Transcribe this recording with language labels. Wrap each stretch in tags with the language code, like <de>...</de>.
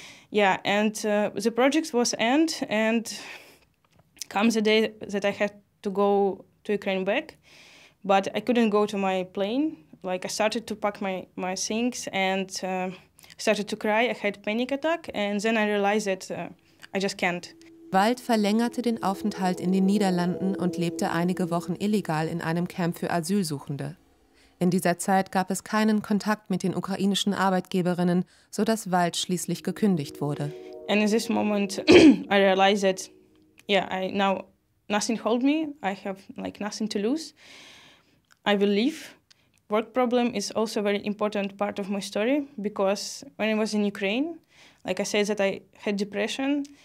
<en>Yeah, and the project was end, and comes the day that I had to go to Ukraine back, but I couldn't go to my plane. Like I started to pack my things and started to cry. I had panic attack and then I realized that I just can't.</en> <de>Wald verlängerte den Aufenthalt in den Niederlanden und lebte einige Wochen illegal in einem Camp für Asylsuchende. In dieser Zeit gab es keinen Kontakt mit den ukrainischen Arbeitgeberinnen, so dass Wald schließlich gekündigt wurde.</de> <en>And in this moment I realized that yeah, I now nothing hold me. I have like nothing to lose. I will leave. Work problem is also a very important part of my story because when I was in Ukraine, like I said that I had depression.</en>